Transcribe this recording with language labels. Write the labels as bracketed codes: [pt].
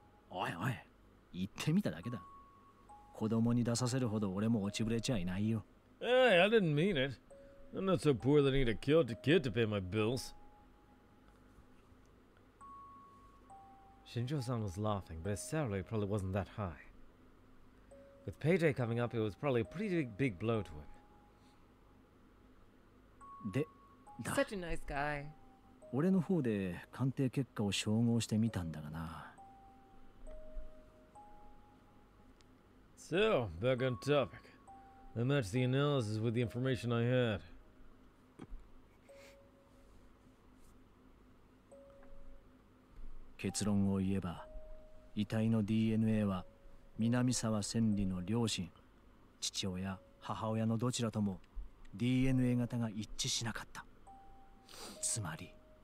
[ja] おいおい、言ってみただけだ。子供に出させるほど俺も落ちぶれちゃいないよ。 [en] Hey, I didn't mean it. I'm not so poor that I need a cute kid to pay my bills. Shinjo-san was laughing, but his salary probably wasn't that high. With payday coming up, it was probably a pretty big blow to him. Such a nice guy. [ja] 俺の方で鑑定結果を照合してみたんだがな。 [en] So, back on topic. I matched the analysis with the information I had. [ja] 南沢千里の両親、父親、母親のどちらともDNA型が一致しなかった。つまり…